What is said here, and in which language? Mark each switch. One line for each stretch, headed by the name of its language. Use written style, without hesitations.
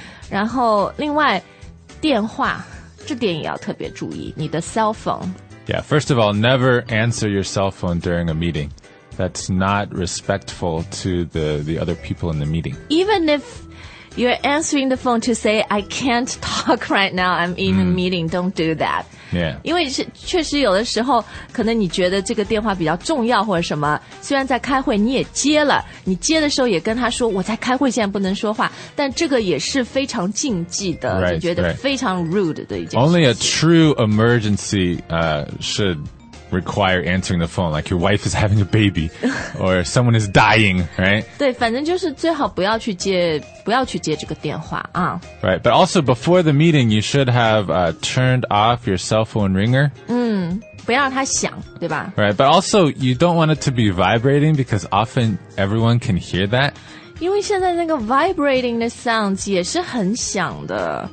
Chinese: 然后另外电话这点也要特别注意你的 cell phone.
English: Yeah, first of all, never answer your cell phone during a meeting. That's not respectful to the other people in the meeting. Even if you're answering the phone to say, I can't talk right now, I'm in a meeting, don't do that.
Chinese: 因为确实有的时候可能你觉得这个电话比较重要或者什么，虽然在开会你也接了，你接的时候也跟他说我在开会现在不能说话，但这个也是非常禁忌的，
English: right,
Chinese: 就觉得非常 rude 的一件事情。
English: Only a true emergency should require answering the phone, like your wife is having a baby or someone is dying, right?
Chinese: 对，反正就是最好不要去接，不要去接这个电话啊。
English: Right, but also before the meeting, you should have turned off your cell phone ringer.
Chinese: 不要让它响，对吧？
English: Right, but also you don't want it to be vibrating because often everyone can hear that.
Chinese: 因为现在那个 vibrating 的 sounds 也是很响的